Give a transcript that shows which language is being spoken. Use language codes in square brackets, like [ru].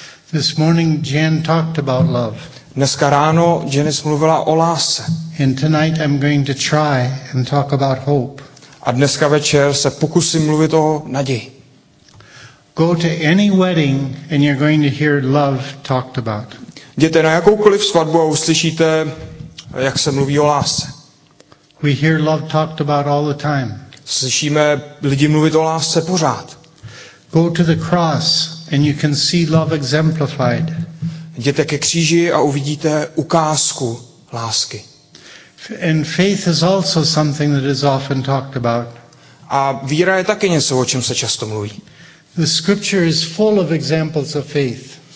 [en] This morning Jan talked about love. [cs] Dneska ráno Janice mluvila o lásce. [en] And tonight I'm going to try and talk about hope. [cs] A dneska večer se pokusím mluvit o naději. [en] Go to any wedding and you're going to hear love talked about. [cs] Jděte na jakoukoliv svatbu a uslyšíte, jak se mluví o lásce. [en] We hear love talked about all the time. [cs] Slyšíme lidi mluvit o lásce pořád. [en] Go to the cross and you can see love exemplified. [cs] Jděte ke kříži a uvidíte ukázku lásky. [en] And faith is also something that is often talked about. [cs] A víra je také něco, o čem se často mluví. [en] The scripture is full of examples of faith.